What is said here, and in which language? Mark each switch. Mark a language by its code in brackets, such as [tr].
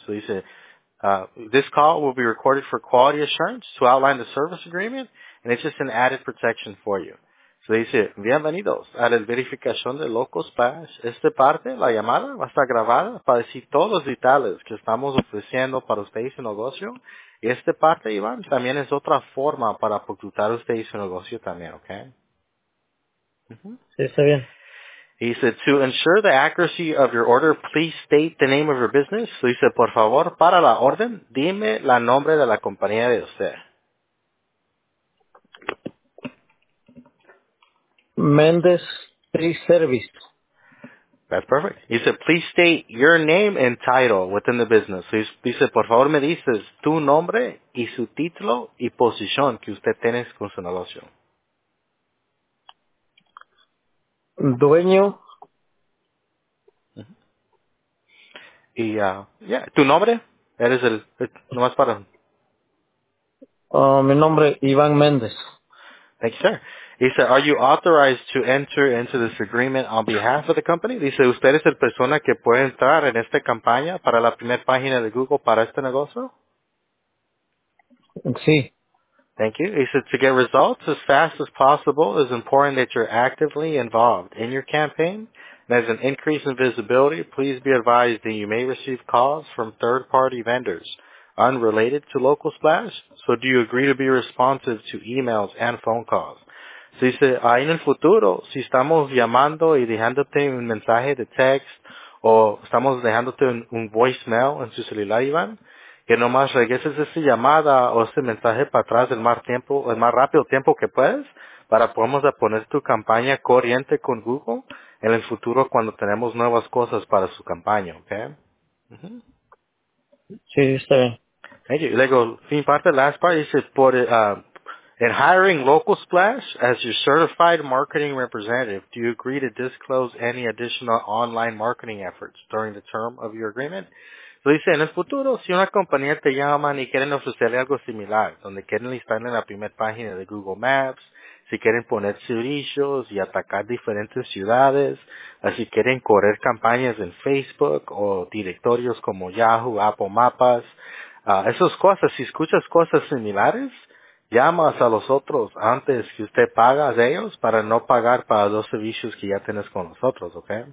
[en] So [es] dice, [en] this call will be recorded for quality assurance to outline the service agreement, and it's just an added protection for you. [es] Se dice, bienvenidos a la verificación de Local Splash. Esta parte, la llamada, va a estar grabada para decir todos los detalles que estamos ofreciendo para usted y su negocio. Y esta parte, Iván, también es otra forma para apuntar a usted y su negocio también, ¿ok? Uh-huh. Sí, está bien. [en] He said, to ensure the accuracy of your order, please state the name of your business. [es] Se dice, por favor, para la orden, dime la nombre de la compañía de usted. [en] Mendez Tree Service. That's perfect. He said, please state your name and title within the business. So he said, [es] por favor, me dices tu nombre y su título y posición que usted tiene con su negocio. Dueño. Uh-huh. Y tu nombre. Eres el, nomás para. Mi nombre, Iván Mendez. [en] Thank you, sir. He said, are you authorized to enter into this agreement on behalf of the company? [es] Dice, ¿usted es la persona que puede entrar en esta campaña para la primera página de Google para este negocio? Sí. [en] Thank you. He said, to get results as fast as possible, it's important that you're actively involved in your campaign. There's an increase in visibility. Please be advised that you may receive calls from third-party vendors unrelated to Local Splash, so do you agree to be responsive to emails and phone calls? [es] Se dice, ahí en el futuro, si estamos llamando y dejándote un mensaje de text, o estamos dejándote un voicemail en su celular, Iván, que nomás regreses esa llamada o ese mensaje para atrás el más rápido tiempo que puedes, para podamos poner tu campaña corriente con Google en el futuro cuando tenemos nuevas cosas para su campaña, ¿ok? Sí, está bien. [en] Thank you. [es] Luego, fin parte, [en] last part, [es] dice, por, [en] in hiring Local Splash as your certified marketing representative, do you agree to disclose any additional online marketing efforts during the term of your agreement? [es] So dice, en el futuro, si una compañía te llama y quieren ofrecerle algo similar, donde quieren listar en la primera página de Google Maps, si quieren poner servicios y atacar diferentes ciudades, si quieren correr campañas en Facebook o directorios como Yahoo, Apple Mapas, esas cosas, si escuchas cosas similares, llamas a los otros antes que usted paga a ellos para no pagar para los servicios que ya tienes con nosotros, ¿ok?